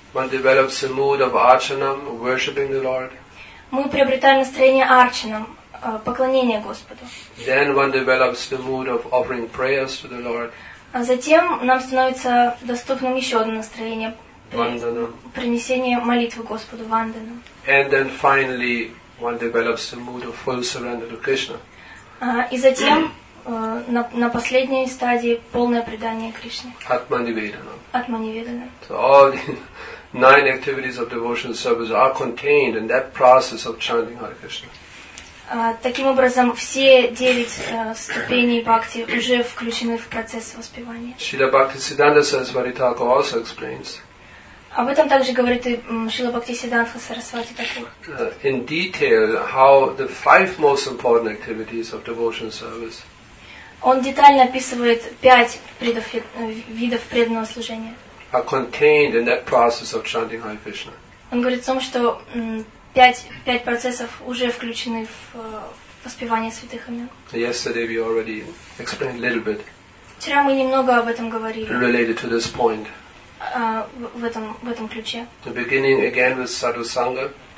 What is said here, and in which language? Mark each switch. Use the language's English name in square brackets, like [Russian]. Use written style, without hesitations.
[English] One develops a mood of Archanam, worshiping the Lord. [Russian] Мы приобретаем настроение Арчанам, поклонение Господу. [English] Then one develops the mood of offering prayers to the Lord. [Russian] А затем нам становится доступным еще одно настроение принесение молитвы Господу Ванданам. [English] And then finally one develops the mood of full surrender to Krishna. [Russian] И затем на последней стадии полное предание Кришне. Атманиведанам. [English] So all the nine activities of devotional service are contained in that process of chanting Hare Krishna. [Russian] Таким образом, все девять ступеней бхакти уже включены в процесс воспевания. [English] Шрила Бхактисиддханта Сарасвати Тхакур also explains. [Russian] Об этом также говорит и Шрила Бхактисиддханта Сарасвати Тхакур. [English] In detail, how the five most important activities of devotional service. [Russian] Он детально описывает пять видов преданного служения. [English] Are contained in that process of chanting Hare Krishna. [Russian] Он говорит о том, что пять процессов уже включены в воспевание святых имен. [English] Yesterday we already explained a little bit. [Russian] Вчера мы немного об этом говорили. [English] Related to this point. [Russian] В этом ключе. [English] The beginning again with sadhu sangha.